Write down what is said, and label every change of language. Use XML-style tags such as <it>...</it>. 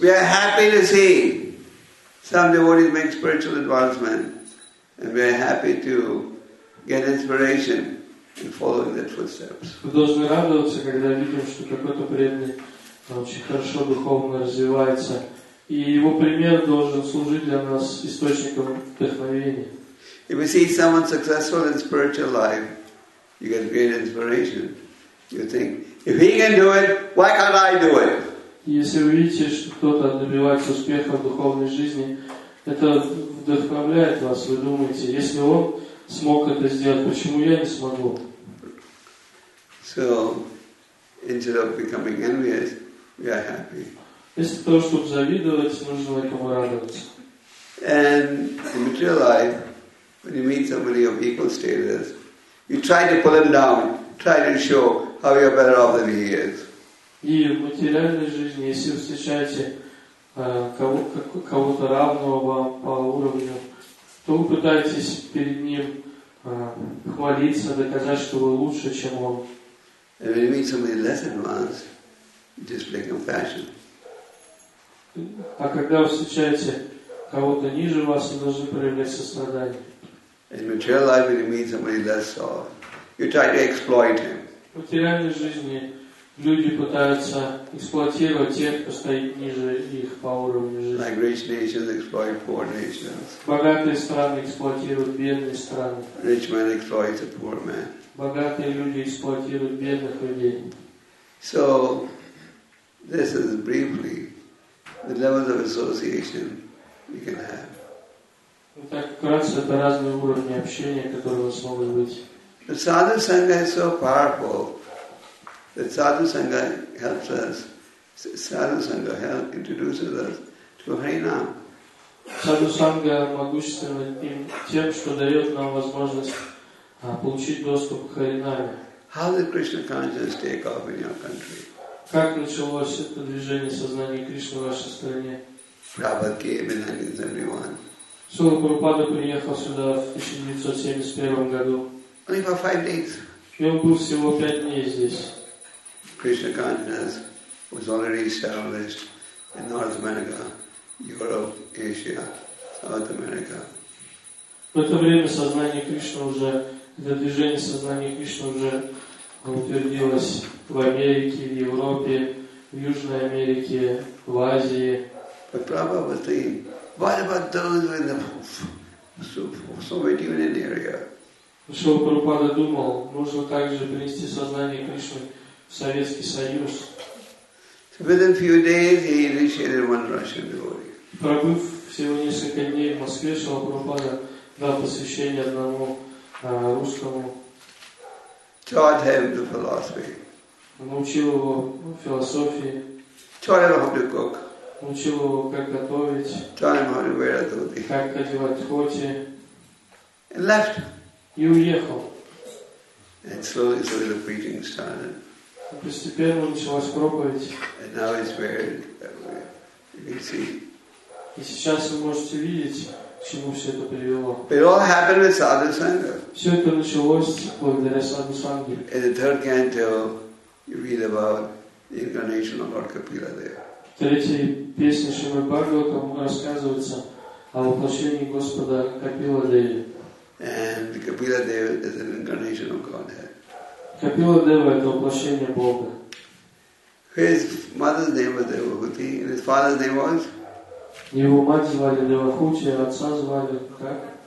<en>We are happy to see some devotees make spiritual advancement, and we are happy to get inspiration in following their footsteps.</en> <ru>Мы должны радоваться, когда видим, что какой-то преданный очень хорошо духовно развивается. И его пример должен служить для нас источником вдохновения.</ru> <en>If you see someone successful in spiritual life, you get great inspiration. You think, if he can do it, why can't I do it?</en> <ru>Если вы видите, что кто-то добивается успеха в духовной жизни, Это вдохновляет вас. Вы думаете, если он смог это сделать, почему я не смогу?</ru> <en>So, instead of becoming envious, we are happy.</en> <ru>Вместо того, чтобы завидовать, нужно этому радоваться.</ru> <en>And in material life, when you meet somebody of equal status, you try to pull him down, try to show how you're better off than he is.</en> <ru>И в материальной жизни, если вы встречаете кого-то равного вам по уровню, то вы пытаетесь перед ним хвалиться, доказать, что вы лучше, чем он.</ru> <en>And when you meet somebody less advanced, display compassion.</en> <ru>А когда вы встречаете кого-то ниже вас, вы должны проявлять сострадание.</ru> <en>In material life, when you meet somebody less so, you try to exploit him.</en> <ru>В материальной жизни люди пытаются эксплуатировать тех, кто стоит ниже их по уровню жизни.</ru> <en>Like rich nations exploit poor nations.</en> <ru>Богатые страны эксплуатируют бедные страны.</ru> <en>Rich men exploit the poor men.</en> <ru>Богатые люди эксплуатируют бедных людей.</ru> <en>So, this is briefly the levels of association we can have.</en> <ru>Так вкратце, это разные уровни общения, которые у вас могут быть.</ru> <en>The sadhu sangha is so powerful that sadhu sangha helps us. Sadhu sangha help introduces us to Harinam.</en> <ru>Sadhu sangha могущественна тем, что дает нам возможность получить доступ к Харинаме.</ru> <en>How did Krishna consciousness take off in your country?</en> <ru>Как началось это движение сознания Кришны в вашей стране?</ru> <en>Prabhupada came in 1971.</en> <ru>Сула Прабхупада приехал сюда в 1971 году.</ru> <en>Only for 5 days.</en> <ru>И он был всего 5 дней здесь.</ru> <en>Krishna consciousness was already established in North America, Europe, Asia, South America.</en> <ru>В это время сознание Кришны уже, это движение сознания Кришны уже утвердилось в Америке, в Европе, в Южной Америке, в Азии.</ru> <en>But Prabhupada was saying, what about those who are in the Soviet Union area?</en> <ru>Шрила Прабхупада думал, нужно также принести сознание Кришны в Советский Союз.</ru> <en>So within a few days, he initiated one Russian devotee.</en> <ru>Пробыв всего несколько дней в Москве, Шрила Прабхупада дал посвящение одному русскому.</ru> <en>Taught him the philosophy.</en> <ru>Научил его философии.</ru> <en>Taught him how to cook.</en> <ru>Научил его, как готовить.</ru> <en>Taught him how to wear a dhoti.</en> <ru>Как одевать дхоти.</ru> <en>And left.</en> <ru>И уехал.</ru> <en>And slowly the preaching started.</en> <ru>И постепенно началась проповедь.</ru> <en>And now it's very everywhere. You can see.</en> <ru>И сейчас вы можете видеть, к чему все это привело.</ru> <en>It all happened with Sadhu Sangha.</en> <ru>Все это началось благодаря Sadhu Sangha.</ru> <en>In the third canto, you read about the incarnation of Lord Kapila there.</en> <ru>В третьей песне Шримад Бхагаватам рассказывается о воплощении Господа Капила Деви.</ru> <en>And Kapila Deva is an incarnation of Godhead. Kapila Deva is the</en> <ru>воплощение Бога.</ru> <en>His mother's name was Devahuti, and his father's name was?</en> <ru>Его мать звали Девахути, а отца звали как?</ru>